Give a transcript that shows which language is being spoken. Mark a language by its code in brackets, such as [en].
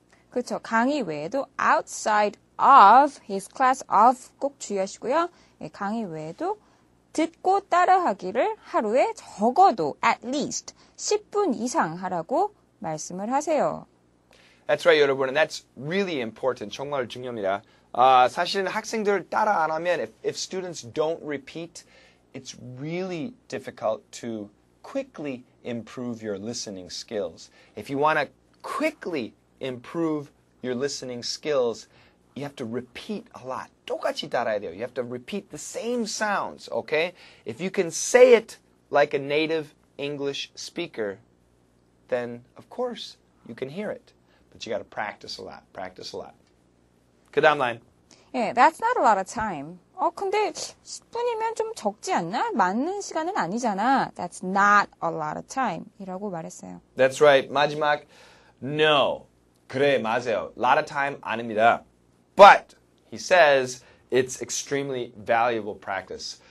[ko] 그렇죠. 강의 외에도 [en] outside of his class of [ko] 꼭 주의하시고요. 예, 강의 외에도 듣고 따라하기를 하루에 적어도 [en] at least [ko] 10분 이상 하라고 말씀을 하세요. [en] That's right, [ko] 여러분. [en] And that's really important. [ko] 정말 중요합니다. 사실은 학생들 따라 안 하면 [en] if students don't repeat, it's really difficult to quickly improve your listening skills. If you want to quickly improve your listening skills, you have to repeat a lot. [ko] 똑같이 따라야 돼요. [en] You have to repeat the same sounds, okay? If you can say it like a native English speaker, then of course you can hear it. But you got to practice a lot, practice a lot. [ko] 그 다음 라인. [en] Yeah, that's not a lot of time. [ko] 근데 10분이면 좀 적지 않나? 맞는 시간은 아니잖아. [en] That's not a lot of time. [ko] 이라고 말했어요. [en] That's right. [ko] 마지막, [en] no. [ko] 그래, 맞아요. [en] Lot of time [ko] 아닙니다. [en] But, he says, it's extremely valuable practice.